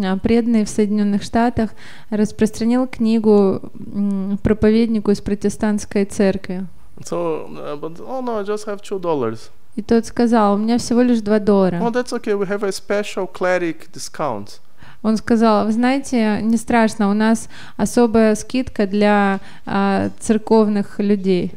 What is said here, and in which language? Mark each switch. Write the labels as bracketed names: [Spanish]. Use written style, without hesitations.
[Russian] преданный в Соединенных Штатах распространил книгу проповеднику из протестантской церкви. [English] So, but, oh no, I just have $2. [Russian] И тот сказал, у меня всего лишь $2. [English] Well, that's okay, we have a special cleric discount. [Russian] Он сказал, вы знаете, не страшно, у нас особая скидка для церковных людей.